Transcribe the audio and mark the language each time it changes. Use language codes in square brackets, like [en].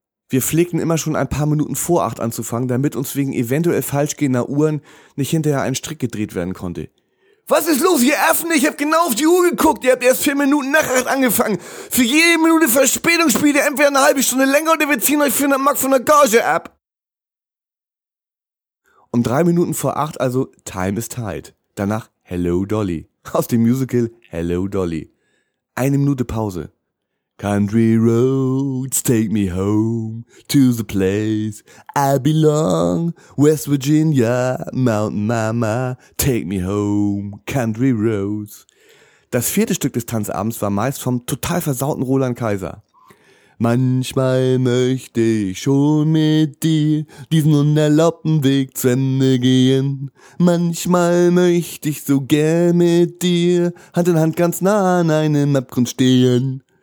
[de] Wir pflegten immer schon ein paar Minuten vor 8 anzufangen, damit uns wegen eventuell falsch gehender Uhren nicht hinterher ein Strick gedreht werden konnte. Was ist los, ihr Affen? Ich hab genau auf die Uhr geguckt. Ihr habt erst 4 Minuten nach 8 angefangen. Für jede Minute Verspätung spielt ihr entweder eine halbe Stunde länger oder wir ziehen euch 400 Mark von der Gage ab. Um 3 Minuten vor 8, also Time is tight. Danach Hello Dolly, aus dem Musical Hello Dolly. Eine Minute Pause. [en] Country roads take me home to the place I belong. West Virginia, Mountain Mama, take me home, country roads. [de] Das vierte Stück des Tanzabends war meist vom total versauten Roland Kaiser. Manchmal möchte ich schon mit dir diesen unerlaubten Weg zu Ende gehen. Manchmal möchte ich so gern mit dir Hand in Hand ganz nah an einem Abgrund stehen.